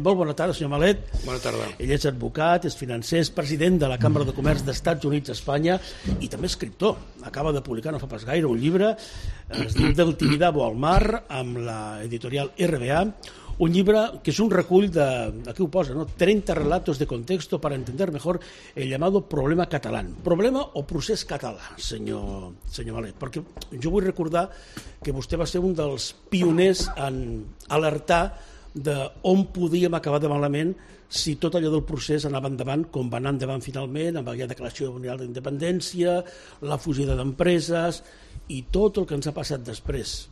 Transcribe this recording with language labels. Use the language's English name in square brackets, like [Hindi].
[Catalan] Molt bona tarda, senyor Malet. Bona tarda. Ell és advocat, és financer, és president de la Cambra de Comerç d'Estats Units d'Espanya i també escriptor. Acaba de publicar, no fa pas gaire, un llibre. Es diu Del Tibidabo al Mar, amb l'editorial RBA. Un llibre que és un recull de, aquí ho posa, no? [Spanish] 30 relatos de contexto para entender mejor el llamado problema catalán. [Catalan] Problema o procés català, senyor Malet? Perquè jo vull recordar que vostè va ser un dels pioners en alertar de on podíem acabar de malament si tot allò del procés anava endavant com va anar endavant finalment, amb la declaració unilateral d'independència, la fugida d'empreses i tot el que ens ha passat després.